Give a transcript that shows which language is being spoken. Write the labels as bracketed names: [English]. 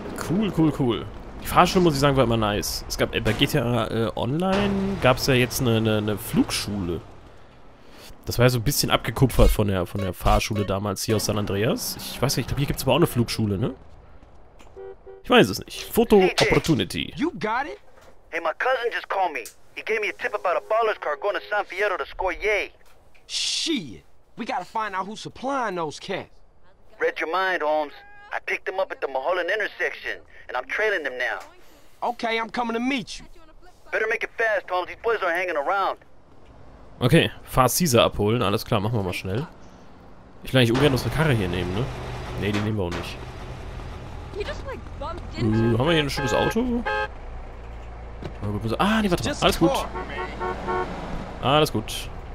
[English] Cool, cool, cool. [German] Die Fahrschule, muss ich sagen, war immer nice. Es gab bei GTA Online gab es ja jetzt eine Flugschule. Das war ja so ein bisschen abgekupfert von der Fahrschule damals hier aus San Andreas. Ich weiß nicht, ich glaube, hier gibt es aber auch eine Flugschule, ne? Ich weiß es nicht. Photo Opportunity. [English] You got it? Hey, my cousin just called me. He gave me a tip about a baller's car going to San Fierro to score yay. Shit. We gotta find out who's supplying those cats. Read your mind, Holmes. I picked them up at the Mulholland intersection, and I'm trailing them now. Okay, I'm coming to meet you. Better make it fast, Holmes. These boys are hanging around. [German] Okay, fahr Caesar abholen. Alles klar, machen wir mal schnell. Ich kann eigentlich ungern unsere Karre hier nehmen, ne? Ne, die nehmen wir auch nicht. Haben wir hier ein schönes Auto? Ah, nee, warte mal. Alles gut. Alles gut.